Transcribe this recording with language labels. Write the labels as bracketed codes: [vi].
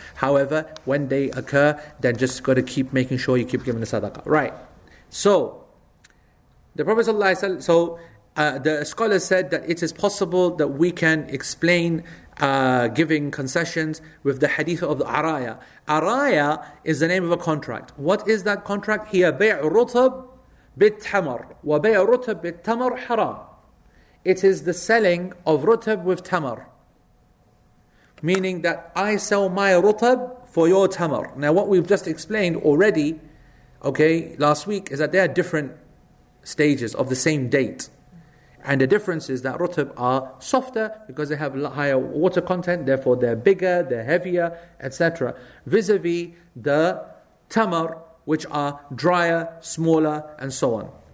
[en] However, when they occur, then just got to keep making sure you keep giving the sadaqah. Right. So the Prophet ﷺ, so the scholar said that it is possible that we can explain giving concessions with the hadith of the araya. Araya is the name of a contract. What is that contract? [ar] هي بيع رطب بالتمر وبيع رطب بالتمر حرام. [en] It is the selling of rutab with tamar. Meaning that I sell my rutab for your tamar. Now what we've just explained already, okay, last week, is that they are different stages of the same date, and the difference is that rutab are softer because they have higher water content, therefore they're bigger, they're heavier, etc., vis-a-vis the tamar, which are drier, smaller, and so on.